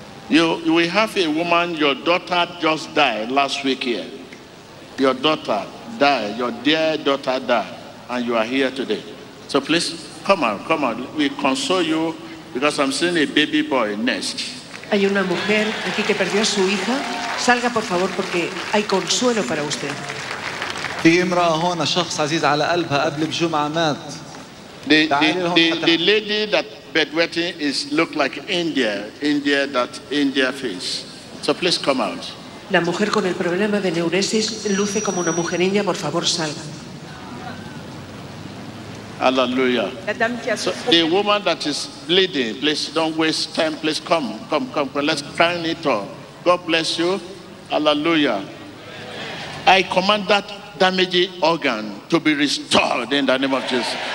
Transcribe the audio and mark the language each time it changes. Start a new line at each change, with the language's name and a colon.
English: you we have a woman your daughter just died last week here your daughter died your dear daughter died and you are here today so please come on we console you because I'm seeing a baby boy next
Spanish: hay una mujer aquí que perdió a su hija salga por favor porque hay consuelo para usted
Arabic: في امرأة هون شخص عزيز على قلبها قبل بجمعة مات.
English: The lady that bedwetting is look like India that India face. So please come out.
Spanish: La mujer con el problema de neuresis luce como una mujer india, por favor salga.
English: Hallelujah. So the woman that is bleeding, please don't waste time. Please come. Let's find it all. God bless you. Hallelujah. I command that. Damaged organ to be restored in the name of Jesus.